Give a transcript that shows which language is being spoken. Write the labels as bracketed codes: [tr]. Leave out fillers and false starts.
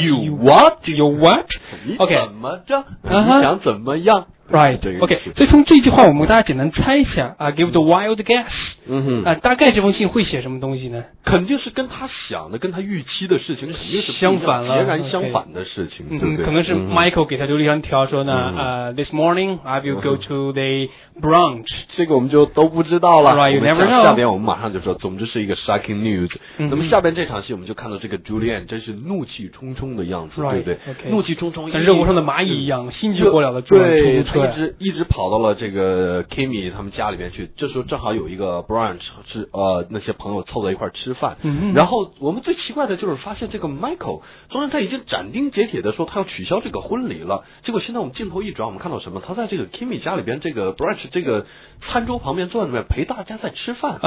[en] you what OK [zh] 你怎么着、你想怎么样 [en] right OK [zh] 所以从这句话我们大家简单猜一下、 [en] give the wild guess [zh] 大概这封信会写什么东西呢？肯定是跟他想的跟他预期的事情肯定是相反了，截然相反的事情、 [en] okay. [zh] 对不对，可能是 Michael 给他留了一张条说呢、 [en] This morning I will go to the brunch， [zh] 这个我们就都不知道了 [en] right, you never know. [zh] 下边我们马上就说，总之是一个 [en] shocking news、 [zh] 那么下边这场戏我们就看到这个 Julian 真是怒气冲冲的样子 [en] right, [zh] 对不对、 [en] okay. [zh] 怒气冲冲像热锅上的蚂蚁一样心急火燎的冲冲冲冲，对，一直跑到了这个 Kimmy 他们家里面去，这时候正好有一个那些朋友凑在一块吃饭、然后我们最奇怪的就是发现这个 Michael 虽然他已经斩钉截铁的说他要取消这个婚礼了，结果现在我们镜头一转我们看到什么，他在这个 Kimmy 家里边这个 Branch 这个餐桌旁边坐在那边陪大家在吃饭、